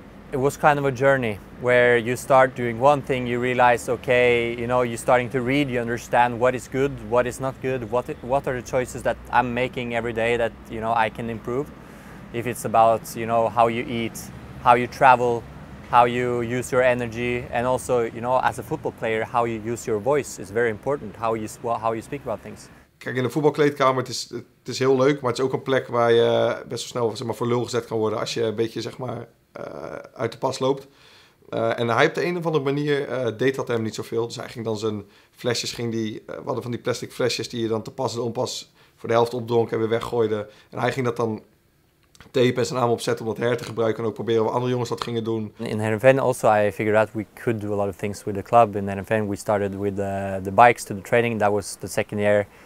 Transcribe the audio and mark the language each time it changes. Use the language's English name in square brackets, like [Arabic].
[English] It was kind of a journey where you start doing one thing, you realize, okay, you know, you're starting to read, you understand what is good, what is not good, what are the choices that I'm making every day that you know I can improve. If it's about you know how you eat, how you travel, how you use your energy, and also you know as a football player, how you use your voice is very important. How you speak about things. [Dutch] Kijk, in de voetbalkleedkamer, het is heel leuk, maar het is ook een plek waar je best wel snel zeg maar, voor lul gezet kan worden als je een beetje zeg maar, uit de pas loopt. En hij op de een of andere manier deed dat hem niet zoveel. Dus hij ging dan zijn flesjes, we hadden van die plastic flesjes die je dan te pas en onpas voor de helft opdronk en weer weggooide. En hij ging dat dan tape en zijn naam opzetten om dat her te gebruiken en ook proberen waar andere jongens dat gingen doen. [English] In Heerenveen also I figured out we could do a lot of things with the club. In Heerenveen we started with the bikes to the training, that was the second year.